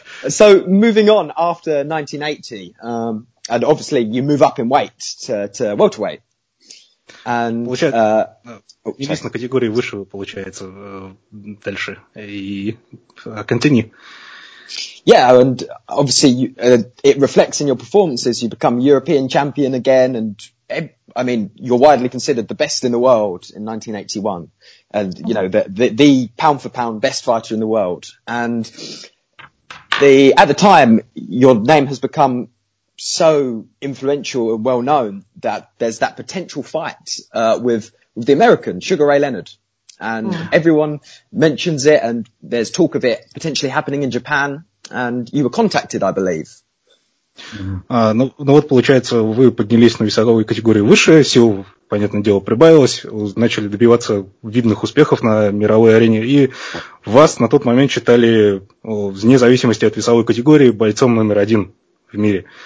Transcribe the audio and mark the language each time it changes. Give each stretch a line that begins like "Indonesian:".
English: So moving on after 1980, and obviously you move up in weight to welterweight. And
Russian: единственная категория выше получается дальше. И
English: continue. Yeah, and obviously you, it reflects in your performances. You become European champion again, and I mean, you're widely considered the best in the world in 1981, and you know the pound for pound best fighter in the world. And at the time, your name has become so influential and well known that there's that potential fight with the American Sugar Ray Leonard, and everyone mentions it, and there's talk of it potentially happening in Japan. And you were contacted, I believe.
Russian: Ну вот, получается, вы поднялись на весовой категории выше, сил, понятное дело, прибавилось, начали добиваться видных успехов на мировой арене, и вас на тот момент считали, вне зависимости от весовой категории, бойцом номер один в мире.